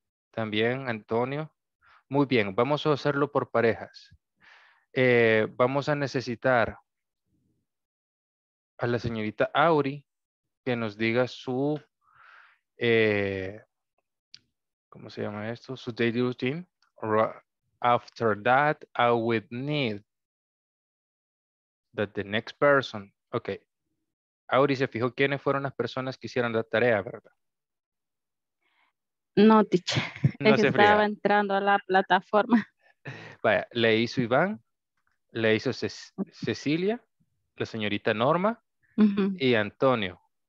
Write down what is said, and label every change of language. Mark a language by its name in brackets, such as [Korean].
[Spanish] También, Antonio. Muy bien, vamos a hacerlo por parejas. Vamos a necesitar a la señorita Auri que nos diga su ¿cómo se llama esto? [English] Su daily routine. After that, I would need that the next person. Ok. [Spanish] Auri, ¿se fijó quiénes fueron las personas que hicieron la tarea, verdad? [English] No, teacher. [Spanish] No se estaba fría. Entrando a la plataforma. Vaya, le hizo Iván, le hizo Cecilia, la señorita Norma y Antonio.